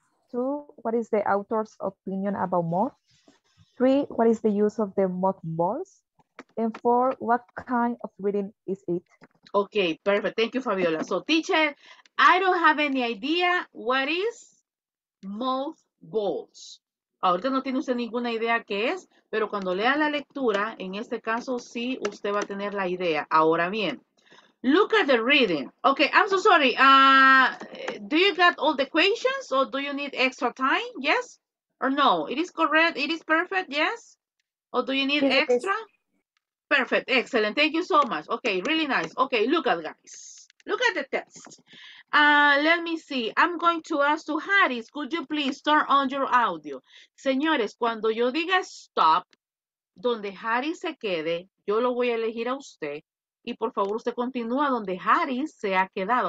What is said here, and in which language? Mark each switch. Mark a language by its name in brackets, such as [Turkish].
[English] 2, what is the author's opinion about moth? 3, what is the use of the moth balls? And 4, what kind of reading is it? Okay, perfect. Thank you, Fabiola. So, teacher, I don't have any idea what is moth balls. [Spanish] Ahorita no tiene usted ninguna idea qué es, pero cuando lea la lectura, en este caso, sí, usted va a tener la idea. Ahora bien, [English] look at the reading. Okay, I'm so sorry. Do you got all the questions or do you need extra time? Yes or no? It is correct. It is perfect. Yes. Or do you need extra? Perfect. Excellent. Thank you so much. Okay, really nice. Okay, look at guys. Look at the text. Let me see. I'm going to ask to Harris, could you please turn on your audio? [Spanish] Señores, cuando yo diga stop, donde Harris se quede, yo lo voy a elegir a usted. Y por favor, usted continúa donde Harris se ha quedado.